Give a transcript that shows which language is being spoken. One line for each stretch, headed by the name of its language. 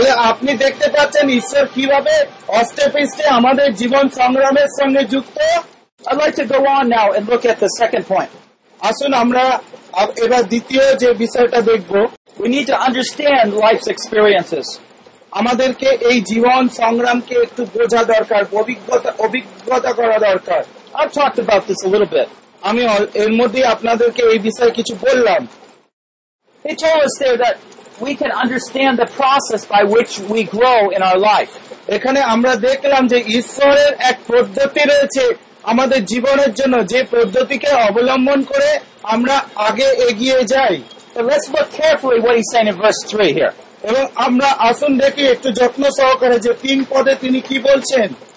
Bangla: আপনি দেখতে পাচ্ছেন ঈশ্বর কিভাবে অষ্টেপিষ্টে আমাদের জীবন সংগ্রামের সঙ্গে যুক্ত।
English: I'd like to go on now and look at the second point.
Bangla: আসুন আমরা এবার দ্বিতীয় যে বিষয়টা দেখব।
English: We need to understand life's experiences.
Bangla: আমাদেরকে এই জীবন সংগ্রামকে একটু বোঝা দরকার, অভিজ্ঞতা করা দরকার।
English: I've talked about this a little bit.
Bangla: আমি এর মধ্যে আপনাদেরকে এই বিষয়ে কিছু বললাম।
English: It tells us that we can understand the process by which we grow in our life.
Bangla: এখানে আমরা দেখলাম যে ঈশ্বরের এক পদ্ধতি রয়েছে আমাদের জীবনের জন্য, যে পদ্ধতিকে অবলম্বন করে আমরা আগে এগিয়ে যাই।
English: So let's look carefully what he's saying in verse 3 here.
Bangla: এবং আমরা আসুন দেখি একটু যত্ন সহকারে যে তিন পদে তিনি কি বলছেন।